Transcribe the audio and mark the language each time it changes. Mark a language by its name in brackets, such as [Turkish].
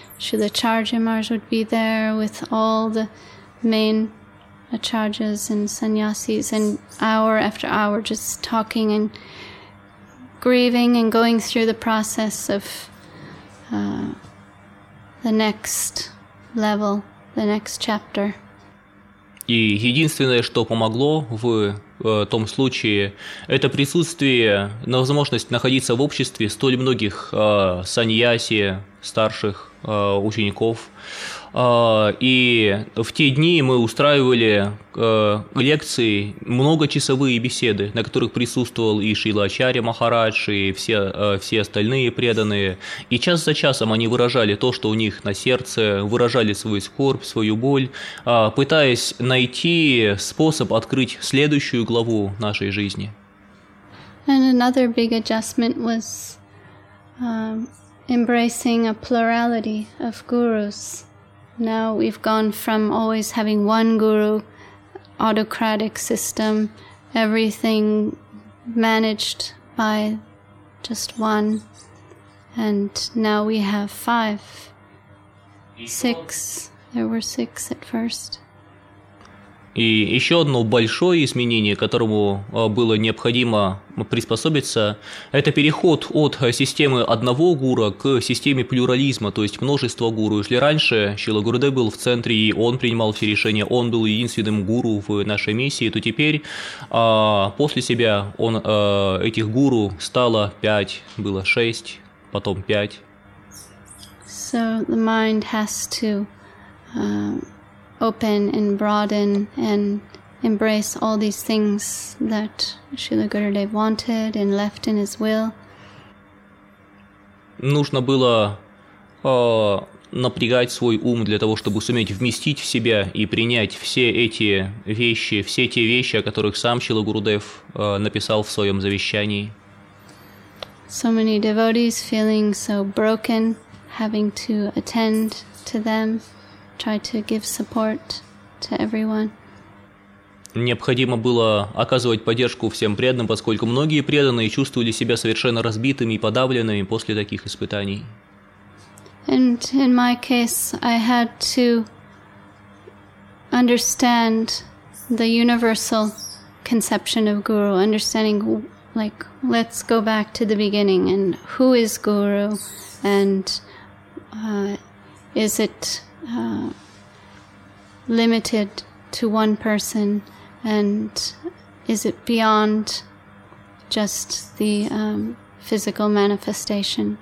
[English] Śrīla Ācārya Mahārāja would be there with all the main acharyas and sannyasis, and hour after hour just talking and grieving and going through the process of the next level, the next chapter. [Russian] И единственное, что помогло в том случае, это присутствие, возможность находиться в обществе столь многих саньяси, старших учеников. И в те дни мы устраивали лекции, многочасовые беседы, на которых присутствовал и Шрила Ачарья Махарадж, и все остальные преданные. И час за часом они выражали то, что у них на сердце, выражали свою скорбь, свою боль, пытаясь найти способ открыть следующую главу нашей жизни. [English] And another big adjustment was embracing a plurality of gurus. Now we've gone from always having one guru, autocratic system, everything managed by just one, and now we have 5, 6, there were 6 at first. [Russian] И еще одно большое изменение, которому было необходимо приспособиться, это переход от системы одного гуру к системе плюрализма, то есть множества гуру. Если раньше Шрила Гурудев был в центре, и он принимал все решения, он был единственным гуру в нашей миссии, то теперь после себя он, этих гуру стало 5, было 6, потом 5. [English] So the mind has to open and broaden and embrace all these things that Śrīla Gurudev wanted and left in his will. [Russian] Нужно было напрягать свой ум для того, чтобы суметь вместить в себя и принять все эти вещи, все те вещи, о которых сам Śrīla Gurudev написал в своем завещании. [English] So many devotees feeling so broken, having to attend to them. try to give support to everyone. [Russian] Необходимо было оказывать поддержку всем преданным, поскольку многие преданные чувствовали себя совершенно разбитыми и подавленными после таких испытаний. [English] And in my case, I had to understand the universal conception of guru, understanding, like, let's go back to the beginning, and who is guru, and is it limited to one person, and is it beyond just the physical manifestation?